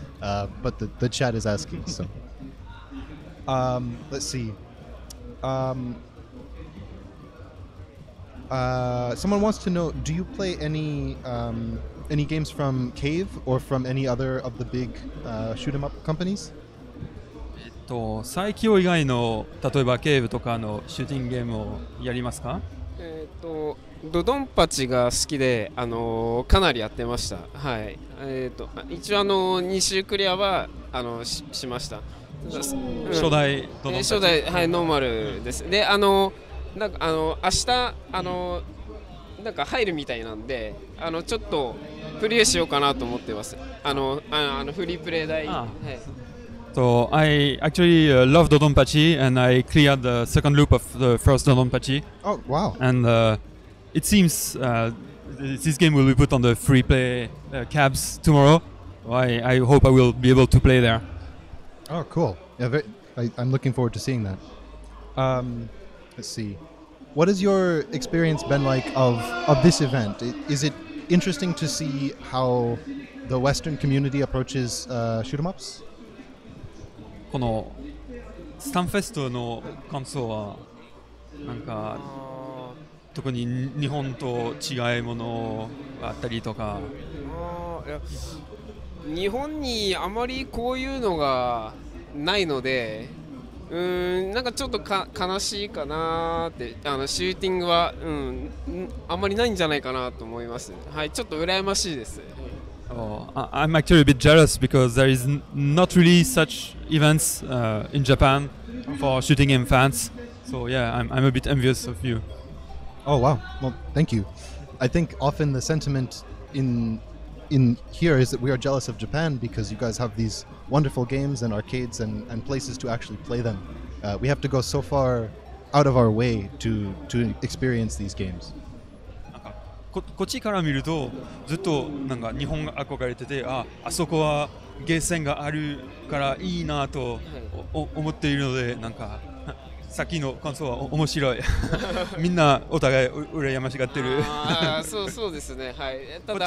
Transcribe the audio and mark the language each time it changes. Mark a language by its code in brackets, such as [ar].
[en] But the chat is asking, so. Let's see. Someone wants to know, do you play any games from Cave or from any other of the big shoot 'em up companies? [ja] 最強以外の例えばケーブとかのシューティングゲームをやりますか？ドドンパチが好きで、かなりやってました。はい、一応、2周クリアは しました。初代ドドンパチ、初代、はい、ノーマルです、うん、で、なんか明日、なんか入るみたいなんでちょっとプレイしようかなと思ってます。フリープレイ台。ああ、はい。 [en] So I actually love Dodonpachi, and I cleared the second loop of the first Dodonpachi. Oh, wow. And it seems this game will be put on the free play cabs tomorrow. I hope I will be able to play there. Oh, cool. Yeah, I'm looking forward to seeing that. Let's see. What has your experience been like of this event? Is it interesting to see how the Western community approaches shoot 'em ups? [ja] このスタンフェストの感想はなんか特に日本と違うものがあったりとか。あ、いや、日本にあまりこういうのがないので、うーん、なんかちょっと悲しいかなって。シューティングは、うん、あまりないんじゃないかなと思います。はい、ちょっと羨ましいです。 [en] I'm actually a bit jealous because there is not really such events in Japan for shooting game fans. So yeah, I'm a bit envious of you. Oh, wow. Well, thank you. I think often the sentiment in here is that we are jealous of Japan because you guys have these wonderful games and arcades and places to actually play them. We have to go so far out of our way to experience these games. [ja] こっちから見るとずっとなんか日本が憧れてて、 あそこはゲーセンがあるからいいなと思っているので、なんかさっきの感想は面白い。みんなお互い羨ましがってる。あ、そうですね、はい。ただ